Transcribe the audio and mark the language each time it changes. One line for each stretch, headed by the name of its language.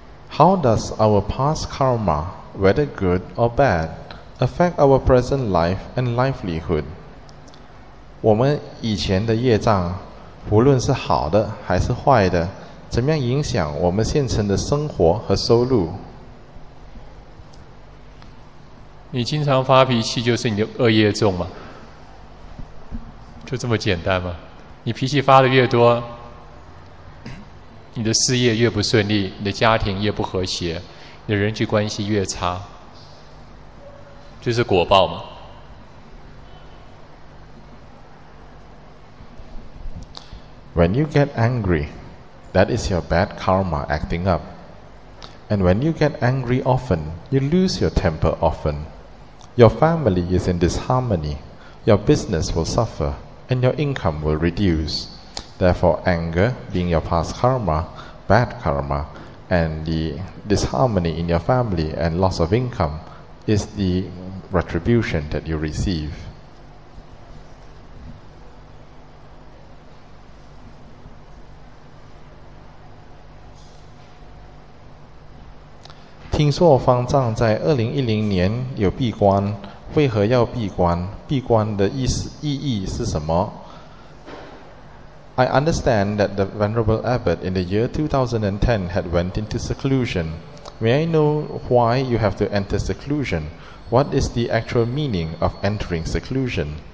English: How does our past karma, whether good or bad, affect our present life and livelihood?
Chinese: 我们以前的业障，无论是好的还是坏的，怎么样影响我们现成的生活和收入？你经常发脾气就是你的恶业重吗？就这么简单吗？你脾气发得越多，你的事业越不顺利，你的家庭越不和谐，你的人际关系越差，就是果报吗？
English: When you get angry, that is your bad karma acting up. And when you get angry often, you lose your temper often. Your family is in disharmony, your business will suffer, and your income will reduce. Therefore, anger being your past karma, bad karma, and the disharmony in your family and loss of income is the retribution that you receive.
Chinese: 听说方丈在2010年有闭关，为何要闭关？闭关的意义是什么？
English: I understand that the Venerable Abbot in the year 2010 had went into seclusion. May I know why you have to enter seclusion? What is the actual meaning of entering seclusion?